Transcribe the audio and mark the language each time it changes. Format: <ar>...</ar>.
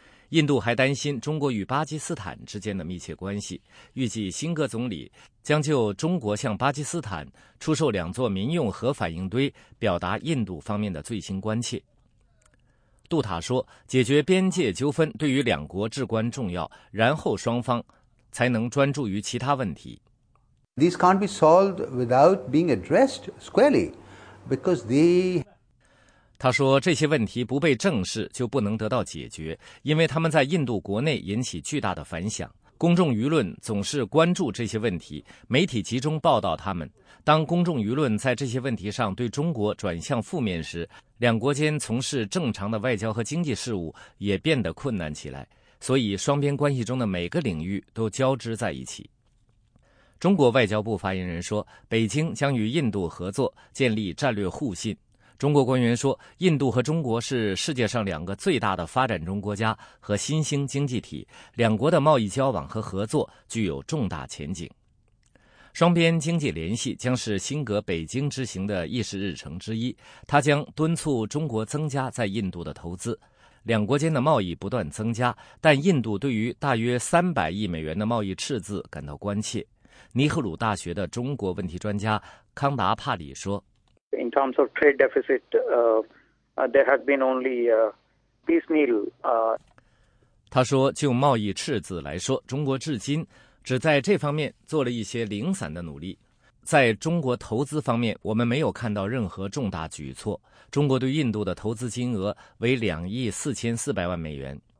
<zh>印度还担心中国与巴基斯坦之间的密切关系，预计辛格总理将就中国向巴基斯坦出售两座民用核反应堆表达印度方面的最新关切。杜塔说，解决边界纠纷对于两国至关重要，然后双方才能专注于其他问题。</zh> <en>These can't be solved without being addressed squarely because they...</en> <zh>他说，这些问题不被正视就不能得到解决，因为他们在印度国内引起巨大的反响，公众舆论总是关注这些问题，媒体集中报道他们。当公众舆论在这些问题上对中国转向负面时，两国间从事正常的外交和经济事务也变得困难起来，所以双边关系中的每个领域都交织在一起。中国外交部发言人说，北京将与印度合作建立战略互信。中国官员说，印度和中国是世界上两个最大的发展中国家和新兴经济体，两国的贸易交往和合作具有重大前景。双边经济联系将是辛格北京之行的议事日程之一，他将敦促中国增加在印度的投资。两国间的贸易不断增加，但印度对于大约300亿美元的贸易赤字感到关切。尼赫鲁大学的中国问题专家康达帕里说，</zh> <en>In terms of trade deficit, there has been only piecemeal.</en> <zh>他说，就贸易赤字来说，中国至今只在这方面做了一些零散的努力。在中国投资方面，我们没有看到任何重大举措。中国对印度的投资金额为2亿4400万美元。</zh>